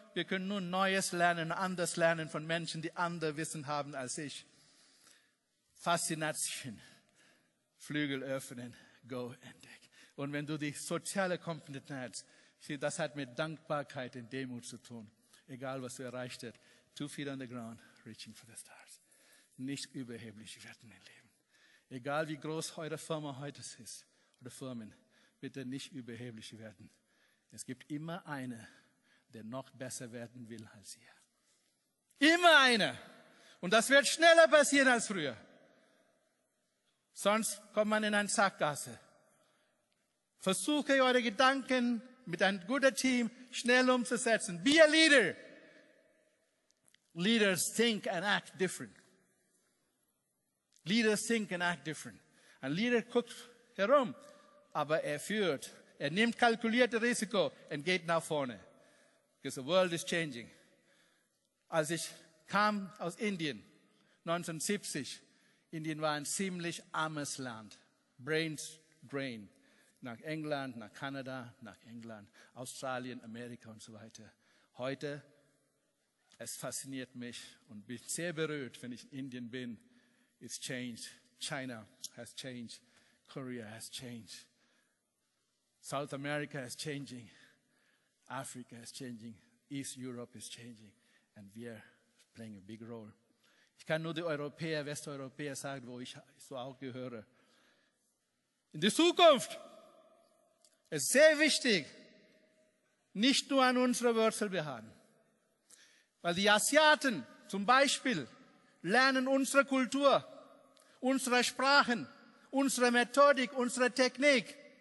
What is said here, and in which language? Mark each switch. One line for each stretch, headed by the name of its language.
German: Wir können nur Neues lernen, anders lernen von Menschen, die andere Wissen haben als ich. Faszination. Flügel öffnen. Go entdeck. Und wenn du die soziale Komponente hast, sieh, das hat mit Dankbarkeit und Demut zu tun. Egal, was du erreicht hast.
English: 2 feet on the ground, reaching for the stars.
German: Nicht überheblich werden im Leben. Egal, wie groß eure Firma heute ist, oder Firmen, bitte nicht überheblich werden. Es gibt immer einen, der noch besser werden will als ihr. Immer einer. Und das wird schneller passieren als früher. Sonst kommt man in eine Sackgasse. Versuche, eure Gedanken mit einem guten Team schnell umzusetzen.
English: Be a leader. Leaders think and act different. Leaders think and act different.
German: Ein Leader guckt herum, aber er führt. Er nimmt kalkulierte Risiko und geht nach vorne.
English: Because the world is changing.
German: Als ich kam aus Indien, 1970, Indien war ein ziemlich armes Land. Brains drain. Nach England, nach Kanada, nach England, Australien, Amerika und so weiter. Heute, es fasziniert mich und bin sehr berührt, wenn ich in Indien bin.
English: It's changed. China has changed. Korea has changed. South America is changing. Africa is changing. East Europe is changing. And we are playing a big role.
German: Ich kann nur die Europäer, Westeuropäer sagen, wo ich so auch gehöre. In die Zukunft ist sehr wichtig, nicht nur an unsere Wurzel beharren. Weil die Asiaten zum Beispiel lernen unsere Kultur, unsere Sprachen, unsere Methodik, unsere Technik.